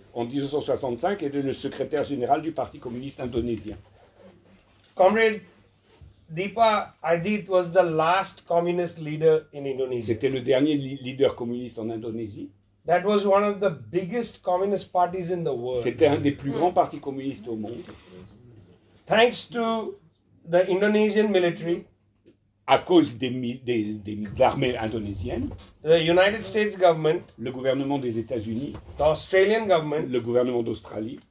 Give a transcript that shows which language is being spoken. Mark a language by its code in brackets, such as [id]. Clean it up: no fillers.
[fr] En 1965, est le secrétaire général du Parti communiste indonésien. [en] Comrade Dipa Adit was the last communist leader in Indonesia. [fr] C'était le dernier leader communiste en Indonésie. [en] That was one of the biggest communist parties in the world. [fr] C'était un des plus grands partis communistes au monde. [en] Thanks to the Indonesian military. [fr] À cause de l'armée indonésienne, [en] the United States government, [fr] le gouvernement des États-Unis, [en] the Australian government, [fr] le gouvernement d'Australie,